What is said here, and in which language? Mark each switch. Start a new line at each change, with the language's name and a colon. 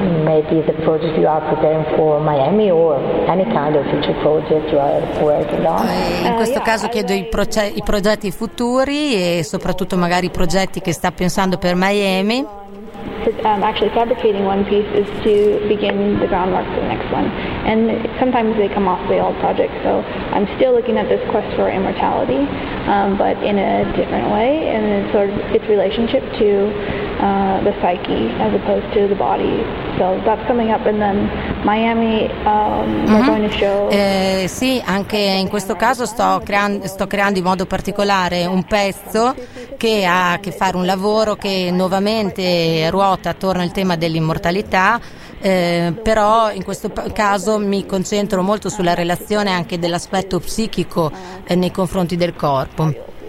English: Maybe the project you are preparing for Miami, or any kind of future project you are working on.
Italian: In questo caso chiedo i progetti futuri, e soprattutto magari i progetti che sta pensando per Miami.
English: Actually fabricating one piece is to begin the groundwork for the next one, and sometimes they come off the old project, so I'm still looking at this quest for immortality, but in a different way, and it's sort of its relationship to the psyche as opposed to the body. So that's coming up, and then Miami, mm-hmm. We're going to show.
Italian: Sì, anche in questo caso sto creando in modo particolare un pezzo che ha a che fare, un lavoro che nuovamente ruota attorno al tema dell'immortalità, però in questo caso mi concentro molto sulla relazione anche dell'aspetto psichico nei confronti del corpo.